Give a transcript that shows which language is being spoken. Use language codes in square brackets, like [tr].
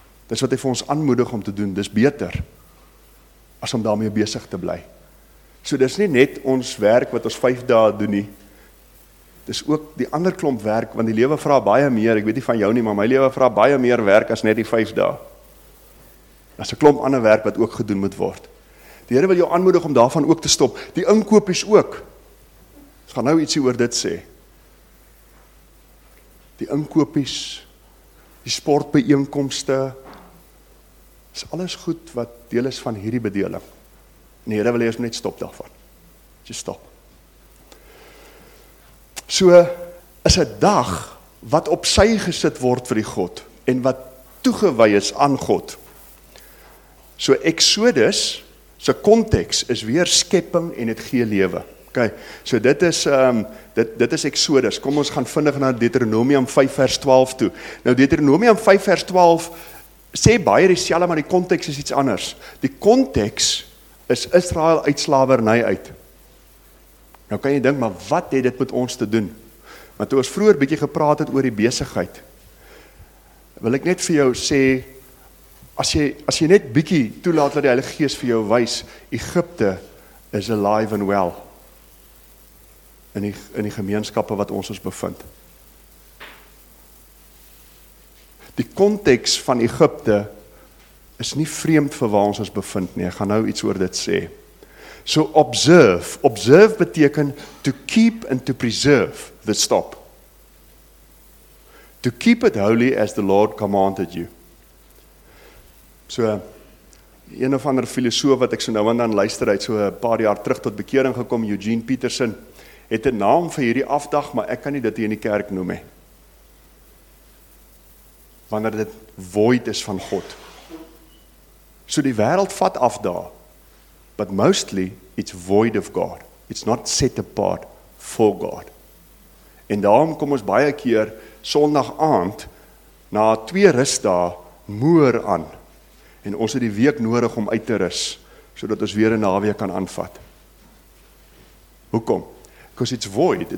[af] Dis wat hy vir ons aanmoedig om te doen, dis beter as om daarmee besig te bly. So dis nie net ons werk wat ons 5 dae doen nie. Dis ook die ander klomp werk, want die lewe vra baie meer. Ek weet nie van jou nie, maar my lewe vra baie meer werk as net die 5 dae. Daar's 'n klomp ander werk wat ook gedoen moet word. Die Here wil jou aanmoedig om daarvan ook te stop. Die inkopies ook. Ek gaan nou ietsie oor dit sê. Die inkopies, die sportbijeenkomste, is alles goed wat deel is van hierdie bedeling. En die Here wil hê ons net stop daarvan. Jy stop. So is 'n dag wat op sy gesit word vir die God en wat toegewy is aan God. So Exodus se konteks is weer skepping en dit gee lewe. OK. So dit is dit is Exodus. Kom ons gaan vinnig na Deuteronomium 5 vers 12 toe. Nou Deuteronomium 5 vers 12 sê baie dieselfde, maar die konteks is iets anders. Die konteks is Israel uit slawerny uit. Nou kan jy dink, maar wat het dit met ons te doen? Want toe ons vroeër bietjie gepraat het oor die besigheid, wil ek net vir jou sê, as jy net bietjie toelaat dat die Heilige Gees vir jou wys, Egipte is [en] alive and well [af] in die gemeenskappe wat ons bevind. Die konteks van Egipte is nie vreemd vir waar ons bevind nie. Ek gaan nou iets oor dit sê. [en] So observe. Observe [af] beteken [en] to keep and to preserve the stop. To keep it holy as the Lord commanded you. [af] So, een of ander filosoof wat ek so nou en dan luister, het so 'n paar jaar terug tot bekering gekom, Eugene Peterson, het 'n naam vir hierdie afdag, maar ek kan nie dit hier in die kerk noem nie. Wanneer dit void is van God. So die wêreld vat af daar. [en] But mostly, it's void of God. It's not set apart for God. [af] En daarom kom ons baie keer, sondag aand, na 2 rusdae, moer aan. En ons het die week nodig om uit te rus, sodat ons weer 'n naweek kan aanvat. Hoekom? [en] Because it's void.